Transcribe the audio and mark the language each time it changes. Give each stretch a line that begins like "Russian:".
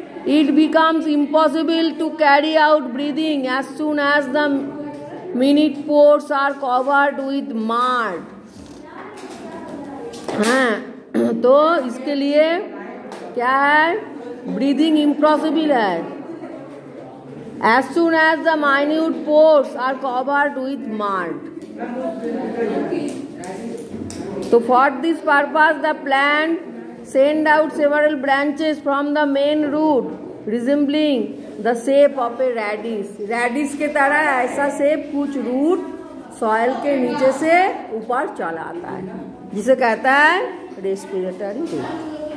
English: It becomes impossible to carry out breathing as soon as the minute pores are covered with mud.
Hindi: हाँ, तो इसके लिए क्या है,
English: breathing impossible
Hindi: है।
English: As soon as the minute pores are covered with mud, so for this purpose the plant send out several branches from the main root resembling the shape of a radish.
Hindi: Radish के तरह ऐसा shape कुछ root soil के नीचे से ऊपर चला आता है, जिसे कहता है respiratory root.